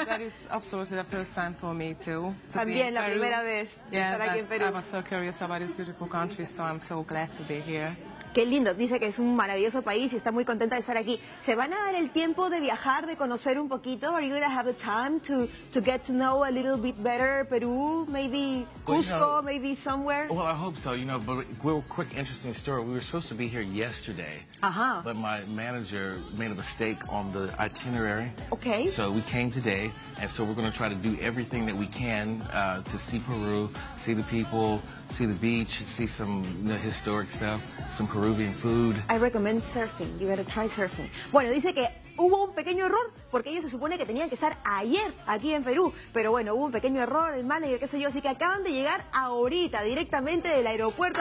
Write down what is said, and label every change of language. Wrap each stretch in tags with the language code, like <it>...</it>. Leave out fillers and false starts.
<en>That is absolutely the first time for me too.</en> <es>También la primera vez.</es> <en>Yeah, I was so curious about this beautiful country, so I'm so glad to be here.</en> <es>Qué lindo. Dice que es un maravilloso país y está muy contenta de estar aquí. ¿Se van a dar el tiempo de viajar, de conocer un poquito?</es> <en>Are you going to have the time to get to know a little bit better Peru? Maybe Cusco, you know, maybe somewhere? Well, I hope so. You know, but real quick, interesting story. We were supposed to be here yesterday. Uh-huh. But my manager made a mistake on the itinerary. Okay. So we came today, and so we're going to try to do everything that we can to see Peru, see the people, see the beach, see some historic stuff, some Peruvian food. I recommend surfing. You better try surfing.</en> <es>Bueno, dice que hubo un pequeño error porque ellos se supone que tenían que estar ayer aquí en Perú. Pero bueno, hubo un pequeño error, el manager, qué sé yo. Así que acaban de llegar ahorita, directamente del aeropuerto.</es>